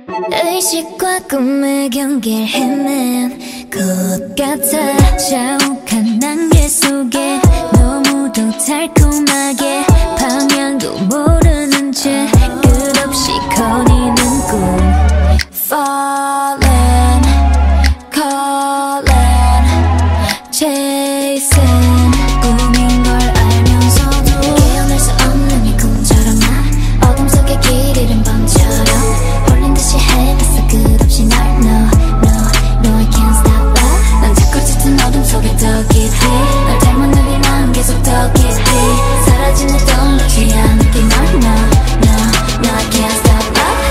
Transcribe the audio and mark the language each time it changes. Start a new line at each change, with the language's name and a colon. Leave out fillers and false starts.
Korean: 의식과 꿈의 경계를 헤맨 것 같아. 자욱한 난개 속에 너무도 달콤하게 방향도 모르는 채 끝없이 거니는 꿈.
English: Falling, calling, chasing.
Korean: 꿈인 걸 알면서도 깨어날 수 없는 이 꿈처럼 나 어둠 속에 길 잃은 밤처럼 홀린 듯이 헤맸어 끝없이 날
English: No, I can't stop it.
Korean: 난 자꾸 어쨌든 어둠 속에 더 깊이 널 닮은 눈이 난 계속 더 깊이 사라지는 떠오르지 않게 널
English: No, I can't stop it.